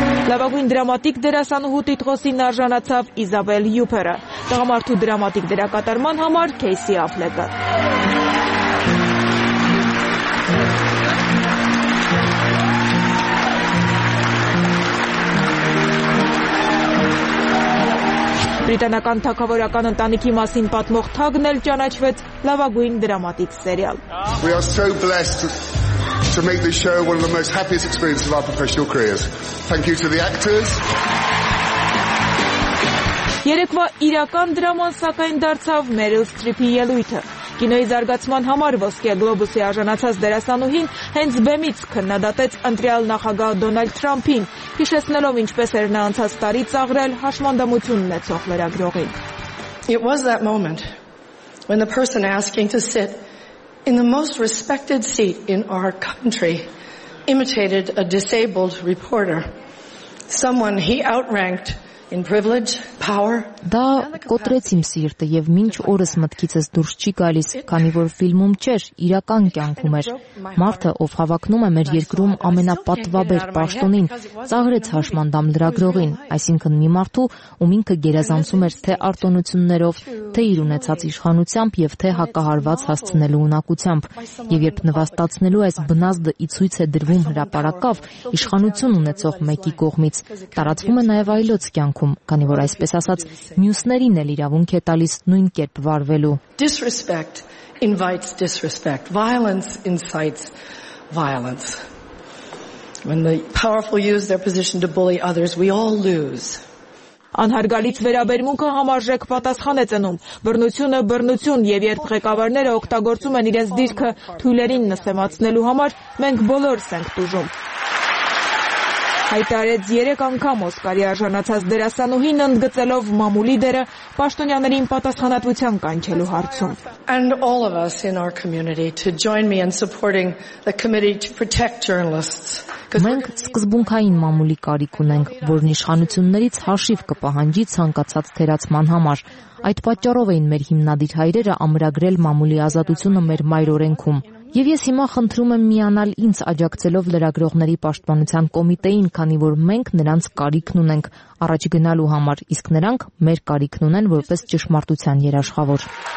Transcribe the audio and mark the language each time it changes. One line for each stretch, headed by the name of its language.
Armenian: Լավագույն դրամատիկ դերասանուհու տիտղոսին արժանացավ Իզաբել Յուպերը, տղամարդու դրամատիկ դերակատարման համար Քեյսի Աֆլեկը։ Բրիտանական թագավորական ընտանիքի մասին պատմող թագն էլ ճանաչվեց լավագույն դրամատիկ սերիալ։
English: We are so blessed to make this show one of the most happiest experiences of our professional careers. Thank you to the actors.
Armenian: Երեկվա իրական դրաման սակայն դարձավ Meryl Streep-ի ելույթը։ Կինոյի զարգացման համար Ոսկե Գլոբուսի արժանացած դերասանուհին հենց բեմից քննադատեց ընտրյալ նախագահ Դոնալդ Թրամփին, հիշեցնելով ինչպես էր նա անցած տարի ծաղրել հաշմանդամություն ունեցող լրագրողին։
English: It was that moment when the person asking to sit in the most respected seat in our country imitated a disabled reporter, someone he outranked in privilege, power.
Armenian: Դա կոտրեց իմ սիրտը եւ մինչ օրս մտքիցս դուրս չի գալիս, քանի որ ֆիլմում չէր, իրական կյանքում էր։ Մարդը, ով հավակնում է մեր երկրում ամենապատվաբեր պաշտոնին, ծաղրեց հաշմանդամ լրագրողին, այսինքն մի մարդու, ում ինքը գերազանցում էր թե արտոնություններով, թե իր ունեցած իշխանությամբ եւ թե հակահարված հասցնելու ունակությամբ, եւ երբ նվաստացնելու այս բնազդը ի ցույց է դրվում հրապարակավ իշխանություն ունեցող մեկի կողմից, տարածվում է նաեւ այլոց կյանքում, քանի որ այսպես ասած մյուսներին էլ իրավունք է տալիս նույն կերպ վարվելու։
English: Disrespect invites disrespect. Violence incites violence. When the powerful use their position to bully others, we all lose.
Armenian: Անհարգալից վերաբերմունքը համարժեք պատասխան է ծնում։ Բռնությունը բռնություն, եւ երբ ղեկավարները օգտագործում են իրենց դիրքը թույլերին նսեմացնելու համար, մենք բոլորս ենք տուժում։ Հայտարեց 3 անգամ Օսկարի արժանացած դերասանուհին ընդգծելով մամուլի դերը պաշտոնյաներին պատասխանատվության կանչելու հարցում։
English: And all of us in our community to join me in supporting the committee to protect journalists.
Armenian: Մենք սկզբունքային մամուլի կարիք ունենք, որն իշխանություններից հաշիվ կպահանջի ցանկացած թերացման համար։ Այդ պատճառով էին մեր հիմնադիր հայրերը ամրագրել մամուլի ազատությունը մեր մայր օրենքում։ Եվ ես հիմա խնդրում եմ միանալ ինձ աջակցելով լրագրողների պաշտպանության կոմիտեին, քանի որ մենք նրանց կարիքն ունենք առաջ գնալու համար, իսկ նրանք մեր կարիքն ունեն որպես ճշմարտության երաշխավոր։